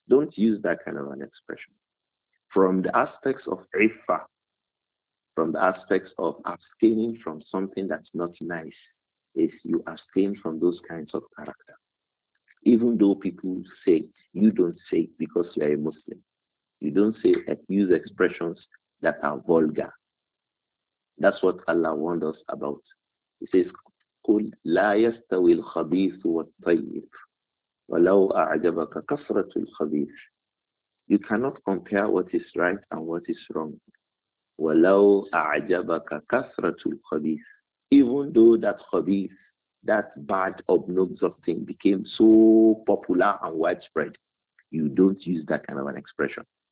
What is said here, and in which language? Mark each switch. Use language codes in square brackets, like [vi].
[en] Don't use that kind of an expression. From the aspects of ifa, from the aspects of abstaining from something that's not nice, is you abstain from those kinds of character. Even though people say, you don't say it because you are a Muslim. You don't say and use expressions that are vulgar. That's what Allah warned us about. He says, [ar] قُلْ لَا يَسْتَوِي الْخَبِيثُ وَالطَّيِّبُ وَلَوْ أَعْجَبَكَ كَثْرَةُ الْخَبِيثِ. [en] You cannot compare what is right and what is wrong. [ar] وَلَوْ أَعْجَبَكَ كَثْرَةُ الْخَبِيثِ. [en] Even though that khabith, that bad, obnoxious thing became so popular and widespread, you don't use that kind of an expression.